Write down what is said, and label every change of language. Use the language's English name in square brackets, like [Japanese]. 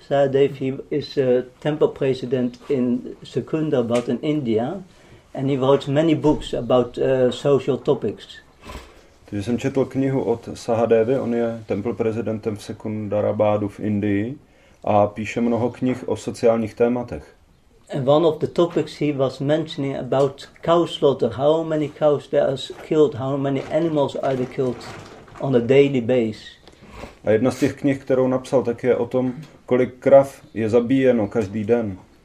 [English] Sahadev, he is a temple president in Secunderabad in India, and he wrote many books about social topics. [Czech] Takže jsem četl knihu od Sahadevy, on je temple prezidentem v Secunderabadu v Indii a píše mnoho knih o sociálních tématech. [English] And one of the topics he was mentioning about cow slaughter, how many cows there are killed, how many animals are they killed on a daily basis. [Czech] A jedna z těch knih, kterou napsal, tak je o tom, kolik krav je zabíjeno každý den.